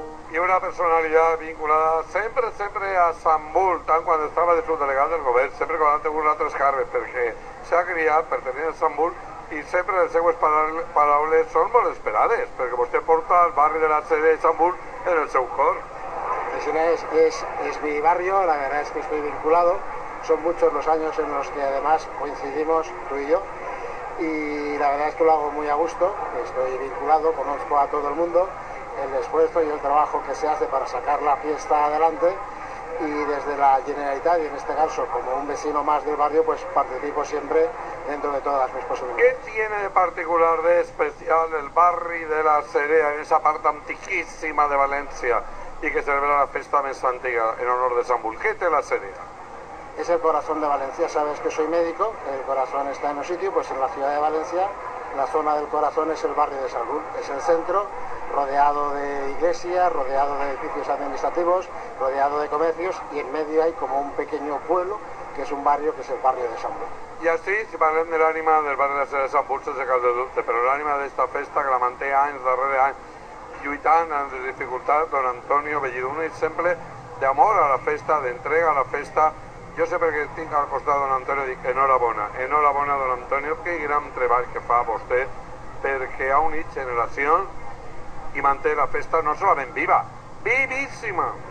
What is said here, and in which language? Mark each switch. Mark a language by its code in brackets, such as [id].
[ca] I una personalitat vinculada sempre, sempre a Sant Bul, tant quan estava de subdelegat del govern, sempre quan ha tingut altres càrrecs, perquè s'ha criat per tenir a Sant Bul, i sempre les seues paraules són molt esperades, perquè vostè porta el barri de la Serea i Sant Bul en el seu cor. [es] Es mi barrio, la verdad es que estoy vinculado. Son muchos los años en los que además coincidimos tú y yo. Y la verdad es que lo hago muy a gusto, estoy vinculado, conozco a todo el mundo, el esfuerzo y el trabajo que se hace para sacar la fiesta adelante. Y desde la Generalitat, y en este caso como un vecino más del barrio, pues participo siempre dentro de todas mis posibilidades. ¿Qué tiene de particular, de especial, el barrio de la Serea en esa parte antiquísima de Valencia y que celebra la fiesta más antigua en honor de Sant Bul? ¿Qué tiene la Serea? Es el corazón de Valencia. Sabes que soy médico, el corazón está en un sitio, pues en la ciudad de Valencia. La zona del corazón es el barrio de Sant Bul, es el centro, rodeado de iglesias, rodeado de edificios administrativos, rodeado de comercios, y en medio hay como un pequeño pueblo, que es un barrio, que es el barrio de Sant Bul. [ca] Y así, si parlem de l'ànima del barri de Sant Bul, se cal de dubte, pero l'ànima d'esta festa, que la manté anys darrere anys, lluitant amb dificultats, don Antonio Bellido, un exemple d'amor a la festa, d'entrega a la festa. Jo sempre que tinc al costat don Antonio dic enhorabona, enhorabona don Antonio, que gran treball que fa vostè perquè ha unit generacions i manté la festa no solament viva, vivíssima.